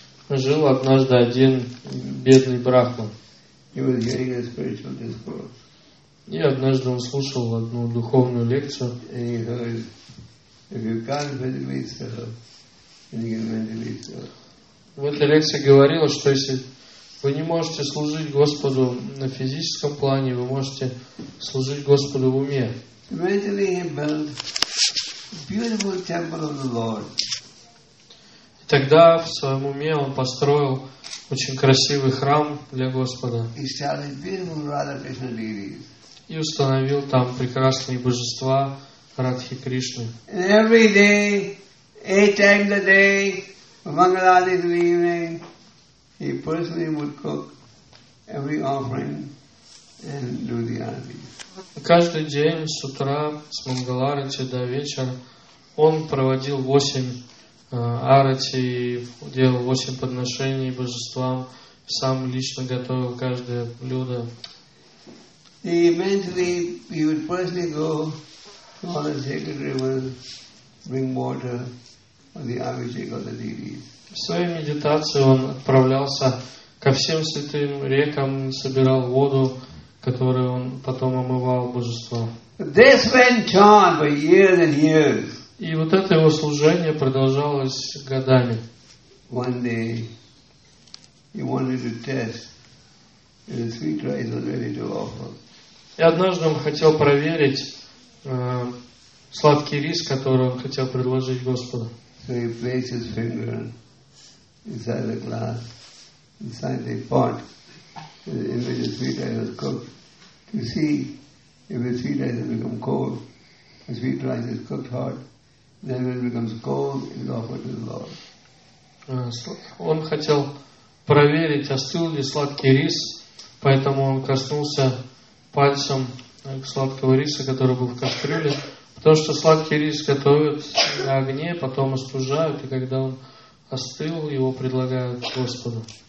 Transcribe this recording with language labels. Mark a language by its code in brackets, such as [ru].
[ru] Жил однажды один бедный брахман. [en] He was hearing a spiritual discourse. [ru] И однажды он слушал одну духовную лекцию. [en] And he heard, if you can't physically serve, then you can mentally serve. [ru] В этой лекции говорилось, что если вы не можете служить Господу на физическом плане, вы можете служить Господу в уме. [en] Mentally he built beautiful temple of the Lord. [ru] И тогда в своем уме он построил очень красивый храм для Господа. [en] He started beautiful Radha Krishna deities. [ru] И установил там прекрасные божества Радхи Кришны. [en] And every day, 8 times a day, Mangaladi in the evening, he personally would cook every offering and do the arati. [ru] Каждый день с утра, с Мангаларати до вечера, он проводил 8 арати, делал 8 подношений божествам, сам лично готовил каждое блюдо. [en] He mentally, he would personally go to all the sacred rivers, bring water for the Abhishek of the deities. [ru] В своей медитации он отправлялся ко всем святым рекам, собирал воду, которую он потом омывал божество. [en] This went on for years and years. [ru] И вот это его служение продолжалось годами. [en] One day, he wanted to test [ru] И однажды он хотел проверить сладкий рис, который он хотел предложить Господу. [en] So he placed his finger inside the glass, inside the pot, in which the sweet rice was cooked, to see if the sweet rice has become cold. The sweet rice is cooked hot, then when it becomes cold, it is offered to the Lord. [ru] Он хотел проверить, остыл ли сладкий рис, поэтому он коснулся пальцем сладкого риса, который был в кастрюле. Потому что сладкий рис готовят на огне, потом остужают, и когда он остыл, его предлагают Господу.